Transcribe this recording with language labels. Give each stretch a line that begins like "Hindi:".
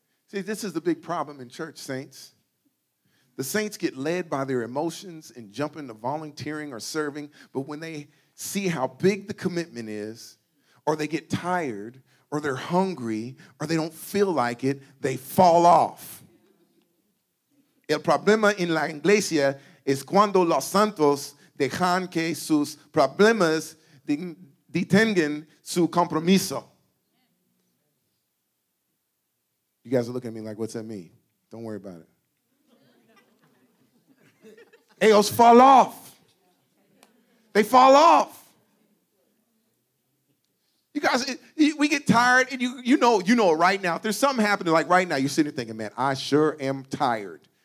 English: See, this is the big problem in church, saints. The saints get led by their emotions and jump into volunteering or serving, but when they see how big the commitment is, or they get tired, or they're hungry, or they don't feel like it, they fall off.
Spanish: El problema en la iglesia es cuando los santos dejan que sus problemas detengan su compromiso.
English: You guys are looking at me like, what's that mean? Don't worry about it.
Spanish: Ellos
English: fall off. They fall off. You guys, we get tired, and you know right now, if there's something happening, like right now, you're sitting there thinking, man, I sure am tired.